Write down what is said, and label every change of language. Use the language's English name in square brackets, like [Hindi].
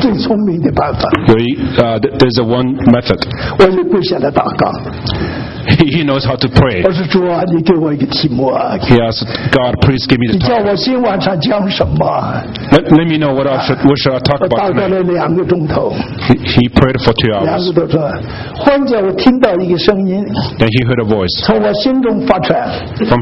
[Chinese] 那只有一个笨办法，也是最聪明的办法。 [English] There's a one method. [Chinese] 我就跪下来祷告。 [English] He knows how to pray. [Chinese] 我说主啊，你给我一个题目啊。He [English] asked God, please give me the topic. [Chinese] 你叫我今晚上讲什么？ [English] Let me know what should I talk about tonight. [Chinese] 我祷告了两个钟头。He [English] prayed for 2 hours. [Chinese] 两个多钟，忽然间我听到一个声音。Then [English] he heard a voice. [Chinese] 从我心中发出来。From